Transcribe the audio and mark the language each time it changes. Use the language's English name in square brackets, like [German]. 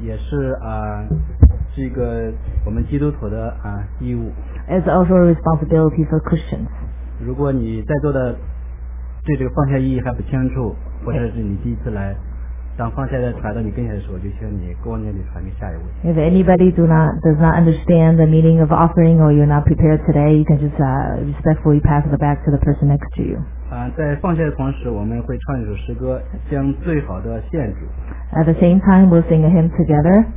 [Chinese] 也是是一个我们基督徒的义务。 [English] It's also a responsibility for Christians. [Chinese] 如果你在座的对这个奉献意义还不清楚，或者是你第一次来，当奉献的传到你跟前的时候，就请你过年里传给下一位。 [English] If anybody does not understand the meaning of offering or you're not prepared today, you can just respectfully pass it back to the person next to you. [Chinese] 在奉献的同时，我们会唱一首诗歌，将最好的献主。 [English] At the same time, we'll sing a hymn together.